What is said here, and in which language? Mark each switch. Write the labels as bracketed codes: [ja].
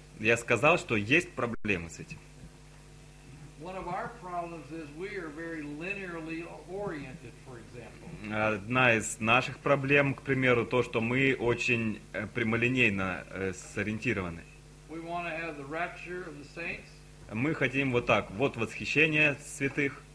[ru] Я сказал, что есть проблемы с этим. [en] One of our problems is we are very linearly oriented, for example. [ru] Одна из наших проблем, к примеру, то, что мы очень прямолинейно сориентированы. [en] We want to have the rapture of the saints. [ru] Мы хотим вот так, вот восхищение святых,